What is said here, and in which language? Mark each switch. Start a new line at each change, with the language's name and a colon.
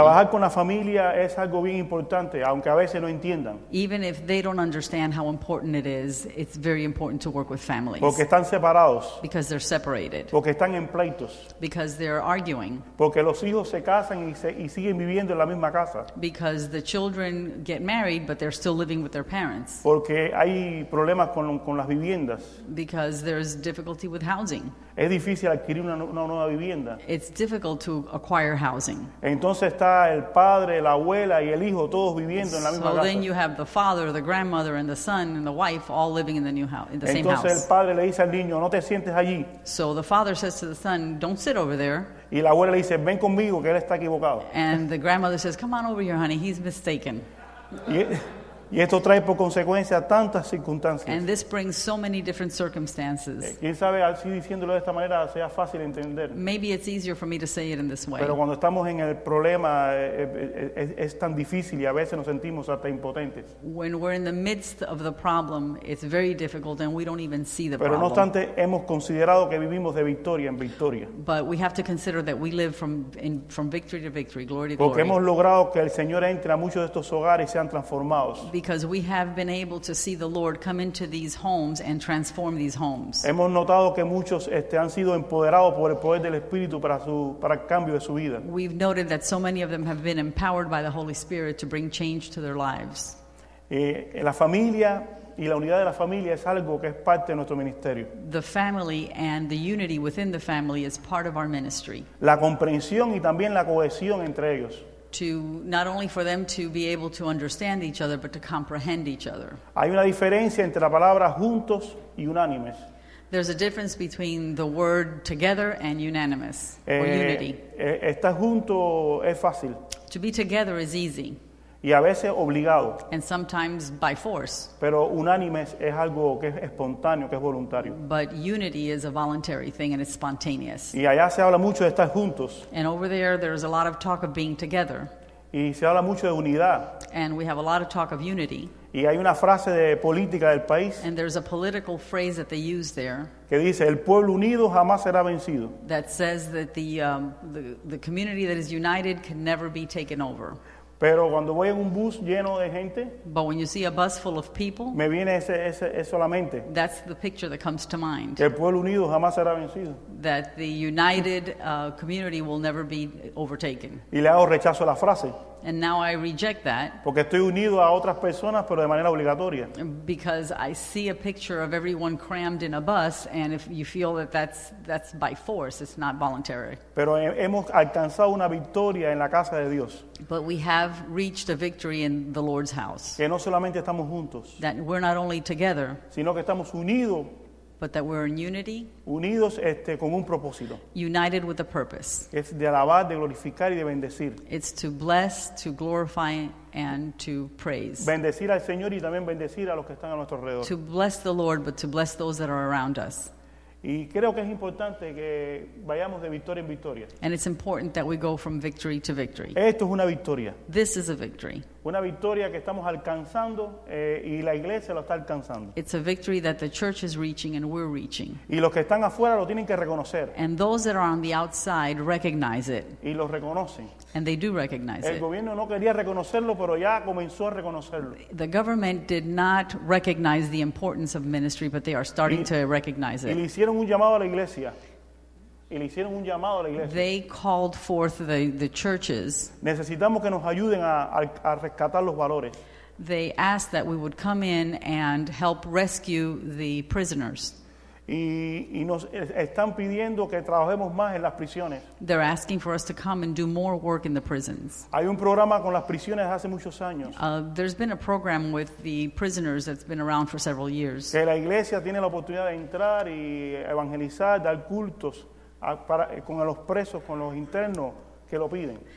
Spanish: Trabajar con la familia es algo bien importante, aunque a veces no entiendan.
English: Even if they don't understand how important it is, it's very important to work with families.
Spanish: Porque están separados.
English: Because they're separated.
Spanish: Porque están en pleitos.
English: Because they're arguing.
Spanish: Porque los hijos se casan y siguen viviendo en la misma casa.
English: Because the children get married, but they're still living with their parents.
Spanish: Porque hay problemas con las viviendas.
English: Because there's difficulty with housing.
Spanish: Es difícil adquirir una nueva vivienda.
English: It's difficult to acquire housing.
Spanish: Entonces está el padre, la abuela y el hijo todos viviendo en la misma casa.
English: So then you have the father, the grandmother, and the son, and the wife all living in the new house, in the same house.
Spanish: Entonces el padre le dice al niño, no te sientes allí.
English: So the father says to the son, don't sit over there.
Spanish: Y la abuela le dice, ven conmigo, que él está equivocado.
English: And the grandmother says, come on over here, honey, he's mistaken.
Spanish: Y esto trae por consecuencia tantas circunstancias.
English: And this brings so many different circumstances.
Spanish: ¿Quién sabe, así diciéndolo de esta manera sea fácil entender?
English: Maybe it's easier for me to say it in this way.
Spanish: Pero cuando estamos en el problema es tan difícil y a veces nos sentimos hasta impotentes.
English: When we're in the midst of the problem, it's very difficult and we don't even see the
Spanish: Pero
English: problem.
Spanish: Pero no obstante, hemos considerado que vivimos de victoria en victoria.
English: But we have to consider that we live from victory to victory, glory to
Spanish: Porque
English: glory.
Spanish: Porque hemos logrado que el Señor entre a muchos de estos hogares y sean transformados.
English: Because we have been able to see the Lord come into these homes and transform these homes.
Spanish: Hemos notado que muchos han sido empoderados por el poder del Espíritu para el cambio de su vida.
English: We've noted that so many of them have been empowered by the Holy Spirit to bring change to their lives.
Spanish: La familia y la unidad de la familia es algo que es parte de nuestro ministerio.
English: The family and the unity within the family is part of our ministry.
Spanish: La comprensión y también la cohesión entre ellos.
English: To not only for them to be able to understand each other, but to comprehend each other.
Spanish: Hay una diferencia entre la palabra juntos y unánimes.
English: There's a difference between the word together and unanimous, or unity.
Spanish: Estar junto es fácil.
English: To be together is easy.
Spanish: Y a veces obligado.
English: And sometimes by force.
Spanish: Pero unánimes es algo que es espontáneo, que es voluntario.
English: But unity is a voluntary thing and it's spontaneous.
Spanish: Y allá se habla mucho de estar juntos.
English: And over there is a lot of talk of being together.
Spanish: Y se habla mucho de unidad.
English: And we have a lot of talk of unity.
Spanish: Y hay una frase de política del país.
English: And there's a political phrase that they use there.
Spanish: Que dice, el pueblo unido jamás será vencido.
English: That says that the community that is united can never be taken over.
Spanish: Pero cuando voy en un bus lleno de gente,
English: but when you see a bus full of people,
Spanish: me viene eso a la mente.
English: That's the picture that comes to mind.
Spanish: Que el pueblo unido jamás será vencido.
English: That the united community will never be overtaken.
Spanish: Y le hago rechazo a la frase.
English: And now I reject that.
Spanish: Porque estoy unido a otras personas, pero de manera obligatoria.
English: Because I see a picture of everyone crammed in a bus, and if you feel that that's by force, it's not voluntary.
Spanish: Pero hemos alcanzado una victoria en la casa de Dios.
English: But we have reached a victory in the Lord's house.
Spanish: Que no solamente estamos juntos.
English: That we're not only together.
Spanish: Sino que estamos unidos.
English: But that we're in unity.
Spanish: Unidos con un propósito.
English: United with a purpose.
Spanish: Es de alabar, de glorificar y de bendecir.
English: It's to bless, to glorify, and to praise.
Spanish: Bendecir al Señor y también bendecir a los que están a nuestro alrededor.
English: To bless the Lord, but to bless those that are around us.
Spanish: Y creo que es importante que vayamos de victoria en victoria.
English: And it's important that we go from victory to victory.
Spanish: Esto es una victoria.
English: This is a victory.
Spanish: Una victoria que estamos alcanzando y la iglesia lo está alcanzando.
English: It's a victory that the church is reaching and we're reaching.
Spanish: Y los que están afuera lo tienen que reconocer.
English: And those that are on the outside recognize it.
Spanish: Y lo reconocen.
English: And they do recognize it.
Spanish: El gobierno no quería reconocerlo, pero ya comenzó a reconocerlo.
English: The government did not recognize the importance of ministry, but they are starting to recognize it.
Spanish: Y le hicieron un llamado a la iglesia. Y le hicieron un llamado a la iglesia.
English: They called forth the churches.
Spanish: Necesitamos que nos ayuden a rescatar los valores.
English: They asked that we would come in and help rescue the prisoners.
Spanish: Y nos están pidiendo que trabajemos más en las prisiones.
English: They're asking for us to come and do more work in the prisons.
Spanish: Hay un programa con las prisiones hace muchos años.
English: There's been a program with the prisoners that's been around for several years.
Spanish: Que la iglesia tiene la oportunidad de entrar y evangelizar, dar cultos. Con los presos, con los internos que lo piden.